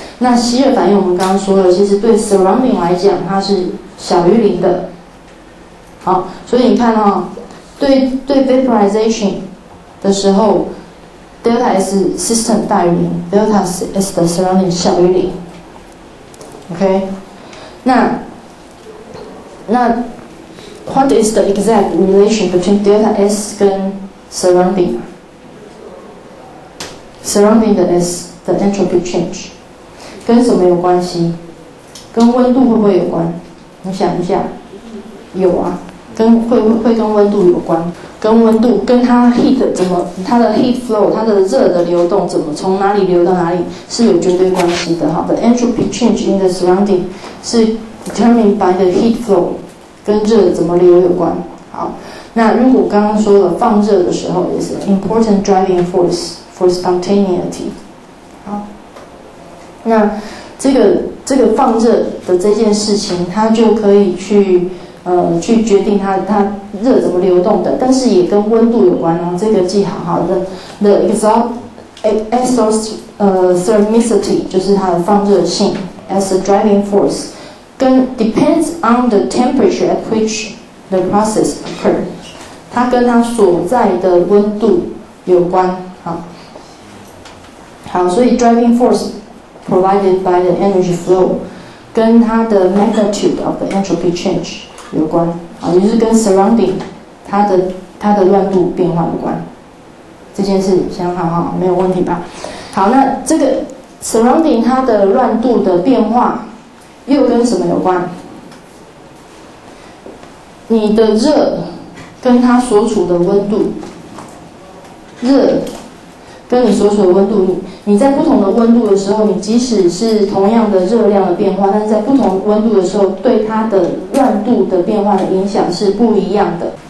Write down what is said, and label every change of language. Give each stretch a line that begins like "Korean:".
Chinese: 那吸热反应我们刚刚说了，其实对 surrounding 来讲它是小于零的。好，所以你看哦，对 vaporization 的时候 delta S system 大于零， delta S 的 surrounding 小于零。
English: OK， 那 what is the exact relation between delta S 跟 surrounding？ Surrounding the entropy change
Chinese: 跟什么有关系？跟温度会不会有关？你想一下，有啊，跟 会跟温度有关，跟温度，跟它 heat 怎么，它的 heat flow， 它的热的流动怎么从哪里流到哪里是有绝对关系的。
English: 好的， entropy change in the surrounding 是 determined by the heat flow，
Chinese: 跟热怎么流有关。好，那如果刚刚说了放热的时候也是
English: important driving forceFor spontaneity，
Chinese: 好，那这个放热的这件事情，它就可以去决定它热怎么流动的，但是也跟温度有关哦。这个记好哈。
English: The exothermicity
Chinese: 就是它的放热性
English: ，as a driving force， 跟 depends on the temperature at which the process occur，
Chinese: 它跟它所在的温度有关。
English: 好，所以 driving force provided by the energy flow 跟它的 magnitude of the entropy change 有关，
Chinese: 好，就是跟 surrounding 它的乱度变化有关。这件事先好好，没有问题吧？好，那这个 surrounding 它的乱度的变化又跟什么有关？你的热跟它所处的温度，热跟你所处的温度，你在不同的温度的时候，你即使是同样的热量的变化，但是在不同温度的时候，对它的乱度的变化的影响是不一样的。